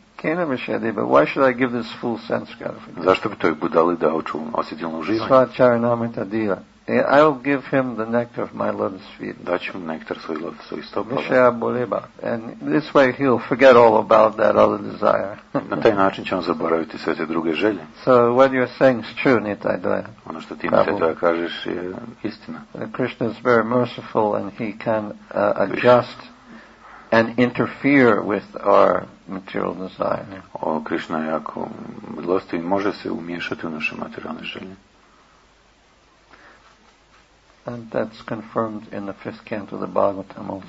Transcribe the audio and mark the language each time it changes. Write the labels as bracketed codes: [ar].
[bn] Kena vishadi, [en] but why should I give this full sense gratification? [hr] Zašto bi toj budali dao čul osjetilno uživanje? [bn] Sva čaranamita dila. [en] I will give him the nectar of my lotus feet. [hr] Daću mu nektar svoj [en] lotus feet. [bn] Vishaya boleba. [en] And this way he'll forget all about that other desire. [hr] Na taj način će on zaboraviti sve te druge želje. [en] So what you're saying is true, Nitaidvaya. [hr] Ono što ti Nitaidvaya kažeš je istina. [en] Krishna is very merciful and he can adjust and interfere with our material desire. [hr] O, Krishna je jako milostiv, može se umiješati u naše materialne želje. [en] And that's confirmed in the fifth canto of the Bhagavatam also.